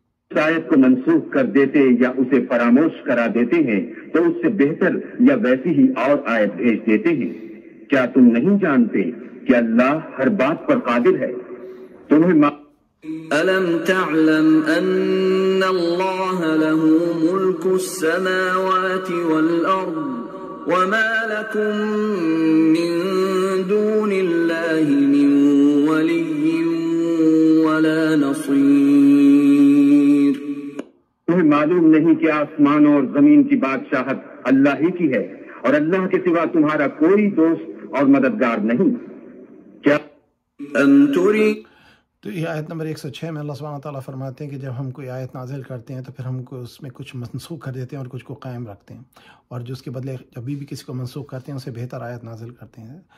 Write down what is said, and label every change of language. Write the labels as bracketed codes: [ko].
[ur] شاید کو منسوخ کر دیتے یا اسے فراموش کرا دیتے ہیں تو اس سے بہتر یا ویسی ہی اور آیت بھیج دیتے ہیں. کیا تم نہیں جانتے کہ اللہ ہر بات پر قادر ہے؟ تمہیں [ar] ألم تعلم أن الله له ملك السماوات والأرض وما لكم من دون الله من ولي ولا نصير. [ur] تمہیں معلوم نہیں کہ آسمان اور زمین کی بادشاہت اللہ ہی کی ہے اور اللہ کے سوا تمہارا کوئی دوست اور مددگار نہیں. کیا [ar] أم تري. [ur] تو یہ آیت نمبر 106 میں اللہ سبحانہ تعالیٰ فرماتے ہیں کہ جب ہم کوئی آیت نازل کرتے ہیں تو پھر ہم کو اس میں کچھ منسوخ کر دیتے ہیں اور کچھ کو قائم رکھتے ہیں, اور جو اس کے بدلے جب بھی کسی کو منسوخ کرتے ہیں اسے بہتر آیت نازل کرتے ہیں.